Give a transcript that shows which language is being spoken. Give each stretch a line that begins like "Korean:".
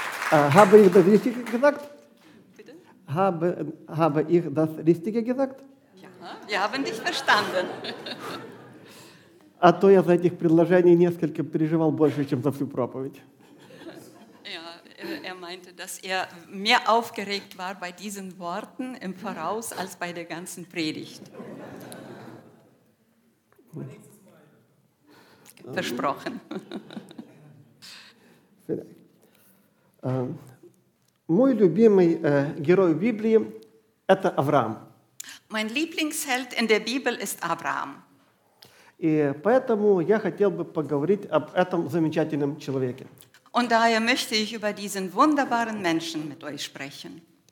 German: Habe ich das Richtige gesagt? Bitte? Habe ich das Richtige gesagt? Ja, wir haben dich verstanden.
Russian: А то я за этих предложений несколько переживал больше, чем за всю проповедь.
German: Er meinte, dass er mehr aufgeregt war bei diesen Worten im Voraus als bei der ganzen Predigt. Versprochen.
Russian: Мой любимый герой Библии – это Авраам.
German: Mein Lieblingsheld in der Bibel ist Abraham.
Russian: И поэтому я хотел бы поговорить об этом замечательном человеке.
German: Und daher möchte ich über diesen wunderbaren Menschen mit euch sprechen.